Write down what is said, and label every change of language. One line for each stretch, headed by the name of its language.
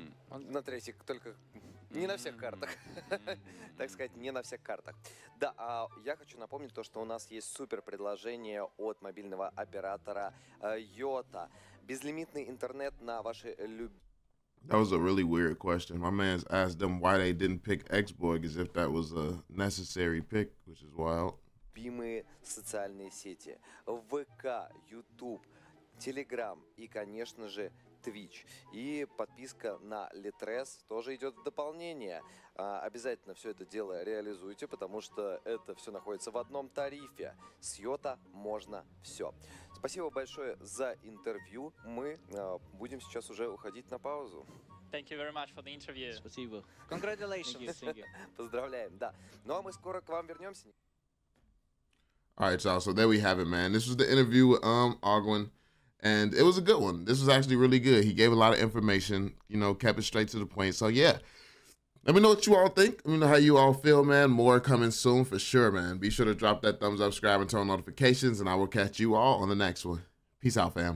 Russian: На третьих только... Не на всех картах. Так сказать, не на всех картах. Да, а я хочу напомнить то, что у нас есть супер предложение от мобильного оператора Yota. Безлимитный интернет на ваши
English: That was a really weird question. My man's asked them why they didn't pick Xborg as if that was a necessary pick, which is wild.
Russian: любимые социальные сети: ВК, YouTube, Telegram и, конечно же, Twitch. И подписка на Litres тоже идет в дополнение. Обязательно все это дело реализуйте, потому что это все находится в одном тарифе. С Йота можно все. Спасибо большое за интервью. Мы будем сейчас уже уходить на паузу.
English: Thank you very much for the interview.
Russian: Спасибо.
English: Congratulations. Thank you.
Russian: Поздравляем, да. Ну, а мы скоро к вам вернемся.
English: All right, y'all. So there we have it, man. This was the interview with Owgwen. And it was a good one. This was actually really good. He gave a lot of information, you know, kept it straight to the point. So, yeah. Let me know what you all think. Let me know how you all feel, man. More coming soon for sure, man. Be sure to drop that thumbs up, subscribe, and turn on notifications. And I will catch you all on the next one. Peace out, fam.